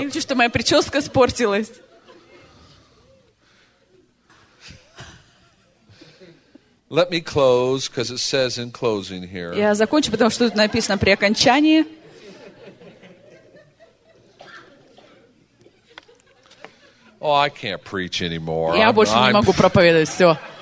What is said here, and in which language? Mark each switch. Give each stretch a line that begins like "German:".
Russian: Я не хочу, чтобы моя прическа испортилась.
English: Let me close, because it says in closing here.
Russian: Я закончу, потому что тут написано при окончании.
English: Oh, I can't preach anymore.
Russian: Я больше не могу проповедовать, все.